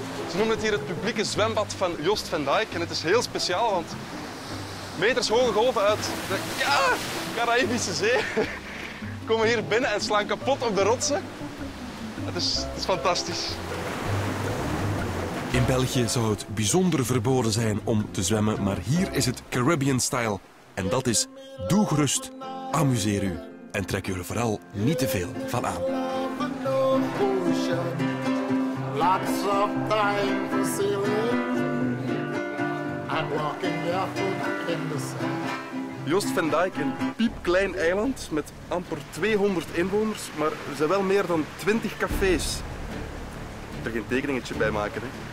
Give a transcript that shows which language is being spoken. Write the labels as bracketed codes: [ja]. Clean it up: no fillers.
[nl] Ze noemen het hier het publieke zwembad van Jos Van Dijk. En het is heel speciaal, want meters hoge golven uit de Caraïbische Zee komen hier binnen en slaan kapot op de rotsen. Het is fantastisch. In België zou het bijzonder verboden zijn om te zwemmen, maar hier is het Caribbean style. En dat is, doe gerust, amuseer u en trek u er vooral niet te veel van aan. [en] of pollution, lots of time for sailing and walking barefoot in the sun. [nl] Joost van Dijk, een piepklein eiland met amper 200 inwoners, maar er zijn wel meer dan 20 cafés. Ik moet er geen tekeningetje bij maken, hè.